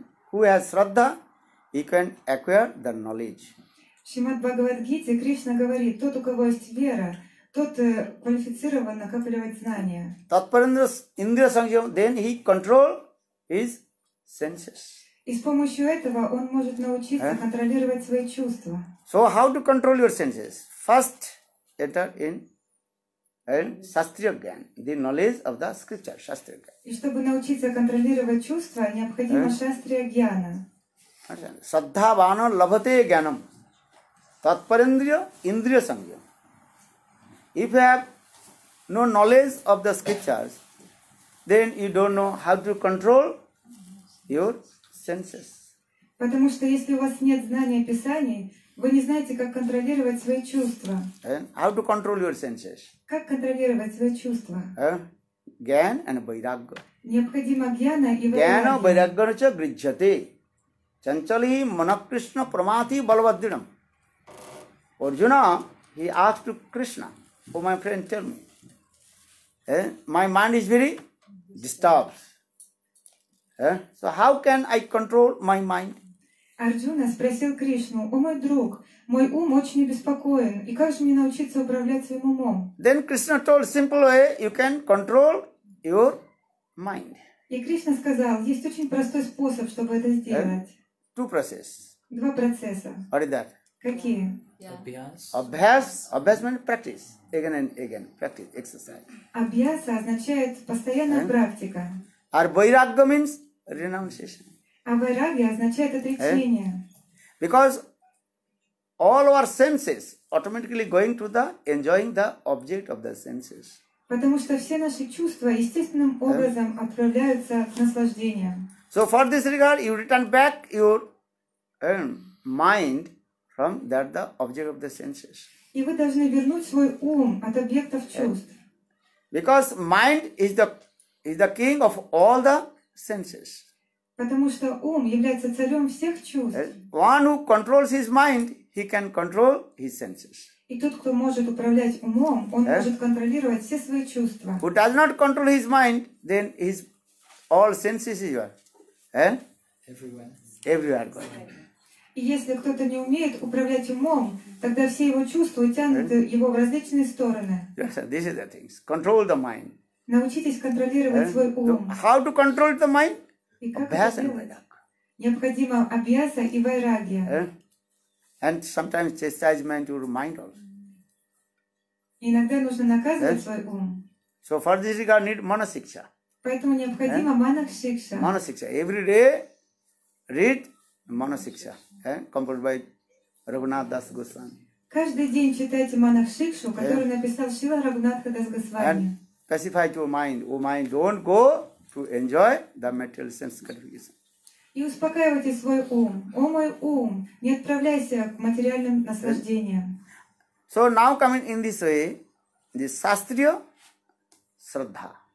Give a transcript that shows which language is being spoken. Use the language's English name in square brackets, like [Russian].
[English] Who has Shraddha, he can acquire the knowledge. [Russian] Шримад Бхагавад Гите Кришна говорит, тот, у кого есть вера, тот квалифицирован накапливать знания. [Sanskrit] Татпариндра индрия санджиям, [English] then he control his senses. [Russian] И с помощью этого он может научиться контролировать свои чувства. [English] So how to control your senses? First, enter in and Shastriya Gyan, the knowledge of the scripture, Shastriya Gyan. [Russian] И чтобы научиться контролировать чувства, необходимо Shastriya Gyana. [Sanskrit] Саддхавана лабхате гьянам татпариндрия индрия сангья. [English] If you have no knowledge of the scriptures, then you don't know how to control your senses. [Russian] Потому что если у вас нет знания Писаний, вы не знаете, как контролировать свои чувства. [English] And how to control your senses? [Russian] Как контролировать свои чувства? [English] Гьян and байрагга. [Russian] Необходимо гьяна и байрагга. [Sanskrit] Гьяна байрагганы ча гриджате. Chanchali Manakrishna Pramati Balavadinam. [English] Arjuna, he asked to Krishna, oh my friend, tell me. My mind is very disturbed. So how can I control my mind? [Russian] Arjuna спросил Кришну, о мой друг, мой ум очень беспокоен, и как же мне научиться управлять своим умом? [English] Then Krishna told simple way, you can control your mind. [Russian] И Кришна сказал, есть очень простой способ, чтобы это сделать. [English] Two process. [Russian] Два процесса. [English] What is that? [Russian] Какие? [English] Abhyas. Abhyas means practice. Again and again. Practice, exercise. [Russian] Abhyasa означает постоянная практика. [English] And vairagya means renunciation. [Russian] А vairagya означает отречение. [English] Because all our senses automatically going to the enjoying the object of the senses. [Russian] Потому что все наши чувства естественным образом отправляются к наслаждению. [English] So for this regard, you return back your mind from that the object of the senses. [Russian] И вы должны вернуть свой ум от объектов чувств. [English] Because mind is the king of all the senses. [Russian] Потому что ум является царем всех чувств. [English] One who controls his mind, he can control his senses. [Russian] И тот, кто может управлять умом, он может контролировать все свои чувства. [English] Who does not control his mind, then his all senses is what? Everywhere. [Russian] И если кто-то не умеет управлять умом, тогда все его чувства утянут его в различные стороны. [English] Yes, this is the things. Control the mind. [Russian] Научитесь контролировать свой ум. [English] So how to control the mind? [Russian] И как abhyasa это делать? Необходимо абьяса и вайрагья. [English] And sometimes chastisement your mind also. [Russian] Иногда нужно наказывать свой ум. [English] So for this regard need manasiksha. [Russian] Поэтому необходимо манасикша. [English] Манасикша. Every day read манасикша. Composed by Рагхунатх Дас Госвами. [Russian] Каждый день читайте манасикшу, которую написал Шрила Рагхунатх Дас Госвами. [English] And pacify your mind. Oh mind, don't go to enjoy the material sense gratification. [Russian] И успокаивайте свой ум. О мой ум, не отправляйся к материальным наслаждениям. [English] So now coming in this way, the Shastriya Shraddha.